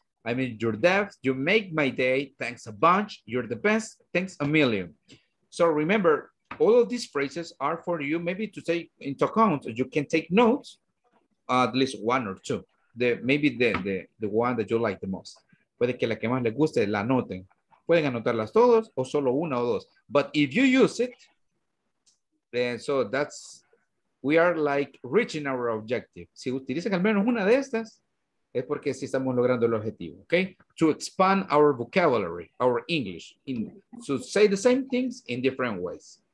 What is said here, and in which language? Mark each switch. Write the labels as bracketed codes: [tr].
[en] I mean, you're deaf, you make my day, thanks a bunch, you're the best, thanks a million. So remember, all of these phrases are for you maybe to take into account. You can take notes, at least one or two. Maybe the one that you like the most. [es] Puede que la que más le guste la anoten. Pueden anotarlas todos o solo una o dos. [en] But if you use it, then so that's, we are like reaching our objective. [es] Si utilizan al menos una de estas, es porque sí estamos logrando el objetivo, ¿ok? [en] To expand our vocabulary, our English, to say the same things in different ways.